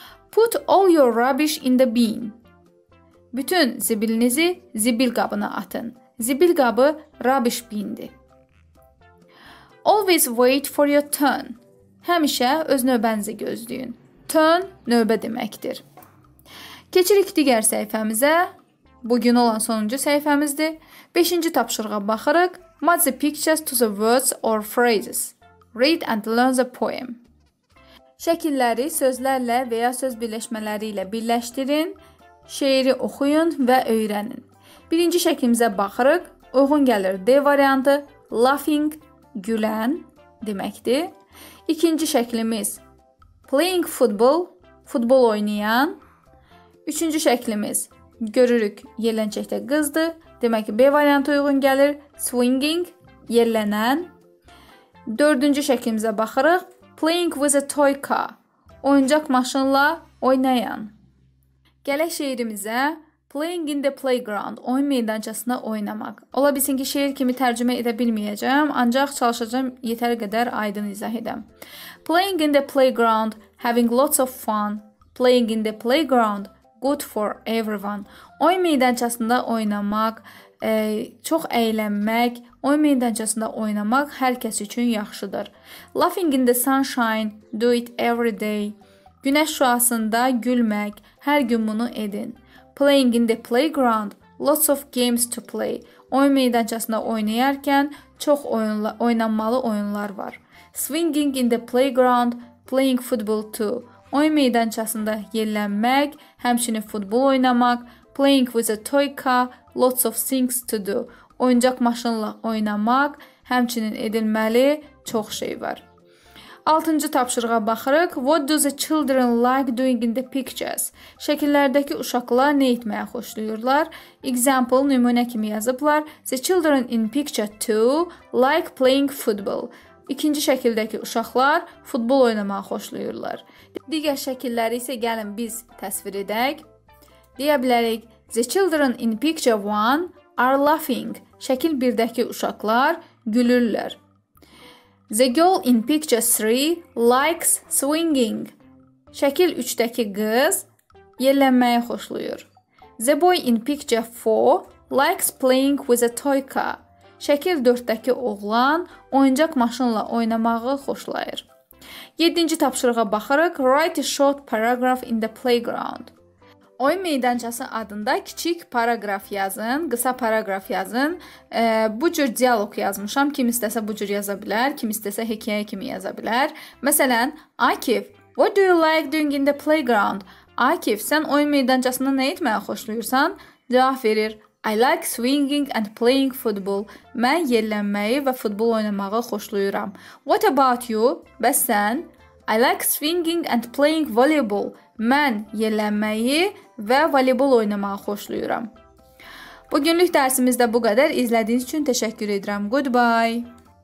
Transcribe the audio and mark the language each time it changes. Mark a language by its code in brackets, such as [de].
[en] Put all your rubbish in the bin. [az] Bütün zibilinizi zibil qabına atın. Zibil qabı rubbish bin'dir. [en] Always wait for your turn. [az] Həmişə öz növbənizi gözləyin. Turn növbə deməkdir. Keçirik digər səhifəmizə. Bugün olan sonuncu səhifəmizdir. 5-ci tapşırığa baxırıq. [en] Match the pictures to the words or phrases. Read and learn the poem. [az] Şəkilləri sözlərlə və ya söz birləşmələri ilə birləşdirin, şeiri oxuyun və öyrənin. Birinci şəkilimizə baxırıq, uyğun gəlir D variantı, laughing, gülən, deməkdir. İkinci şəklimiz [en] playing football, [az] futbol oynayan. Üçüncü şəklimiz görürük yerlənəcəkdə qızdır. Demək ki, B variantı uyğun gəlir. Swinging, yerlənən. Dördüncü şəklimizə baxırıq. [en] Playing with a toy car, [az] oyuncaq maşınla oynayan. Gələk şeirimizə. [en] Playing in the playground, [az] oyun meydançasında oynamaq. Ola bilsin ki, şeir kimi tərcümə edə bilməyəcəm, ancaq çalışacağım yetər qədər aydın izah edəm. [en] Playing in the playground, having lots of fun. Playing in the playground, good for everyone. [az] Oyun meydançasında oynamaq, çox əylənmək, oyun meydançasında oynamaq hər kəs üçün yaxşıdır. [en] Laughing in the sunshine, do it every day. [az] Günəş şüasında gülmək, hər gün bunu edin. [en] Playing in the playground, lots of games to play. [az] Oyun meydançasında oynayarken çox oynanmalı oyunlar var. [en] Swinging in the playground, playing football too. [az] Oyun meydançasında yerlənmək, həmçinin futbol oynamaq. [en] Playing with a toy car, lots of things to do. [az] Oyuncaq maşınla oynamaq, həmçinin edilməli çox şey var. 6-cı tapşırığa baxırıq. [en] What do the children like doing in the pictures? [az] Şəkillərdəki uşaqlar nə etməyə xoşlayırlar? Example, nümunə kimi yazıblar. [en] The children in picture 2 like playing football. [az] İkinci şəkildəki uşaqlar futbol oynamağı xoşlayırlar. Digər şəkilləri isə gəlin biz təsvir edək. Deyə bilərik. [en] The children in picture 1 are laughing. [az] Şəkil 1-dəki uşaqlar gülürlər. [en] The girl in picture 3 likes swinging. [az] Şəkil 3-dəki qız yerlənməyi xoşlayır. [en] The boy in picture 4 likes playing with a toy car. [az] Şəkil 4-dəki oğlan oyuncaq maşınla oynamağı xoşlayır. 7-ci tapşırığa baxırıq. [en] Write a short paragraph in the playground. [az] Oyun meydançası adında kiçik paragraf yazın, qısa paragraf yazın. Bu cür dialog yazmışam. Kim istəsə bu cür yaza bilər, kim istəsə hekayə kimi yaza bilər. [en] Məsələn, Akif, what do you like doing in the playground? [az] Akif, sən oyun meydançasında nə etməyə xoşlayırsan? Cavab verir, [en] I like swinging and playing football. [az] Mən yerlənməyi və futbol oynamağı xoşlayıram. [en] What about you? [az] Bəs sən? [en] I like swinging and playing volleyball. [az] Mən yerlənməyi və voleybol oynamağı xoşlayıram. Bugünlük dərsimiz də bu qədər. İzlədiyiniz üçün təşəkkür edirəm. Goodbye.